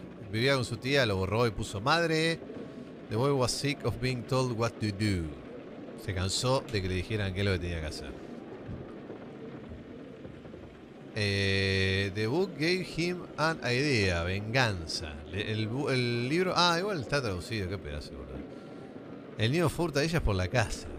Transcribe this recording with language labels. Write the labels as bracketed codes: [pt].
[es] Vivía con su tía, lo borró y puso madre. [en] The boy was sick of being told what to do. [es] Se cansó de que le dijeran qué es lo que tenía que hacer. [en] The book gave him an idea. [es] Venganza. El libro. Ah, igual está traducido. Qué pedazo, boludo. El niño furta a ellas por la casa.